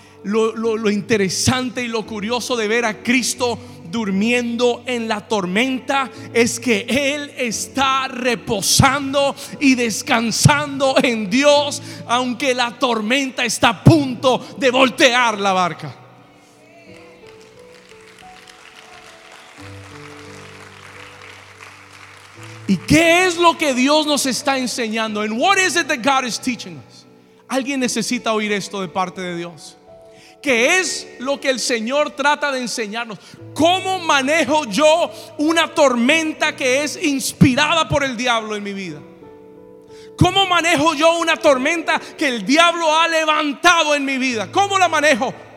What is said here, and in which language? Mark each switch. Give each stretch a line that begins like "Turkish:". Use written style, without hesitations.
Spanish: Lo interesante y lo curioso de ver a Cristo durmiendo en la tormenta es que Él está reposando y descansando en Dios, aunque la tormenta está a punto de voltear la barca. ¿Y qué es lo que Dios nos está enseñando?
English: And what is it that God is teaching us?
Spanish: ¿Alguien necesita oír esto de parte de Dios? ¿Qué es lo que el Señor trata de enseñarnos? ¿Cómo manejo yo una tormenta que es inspirada por el diablo en mi vida? ¿Cómo manejo yo una tormenta que el diablo ha levantado en mi vida? ¿Cómo la manejo?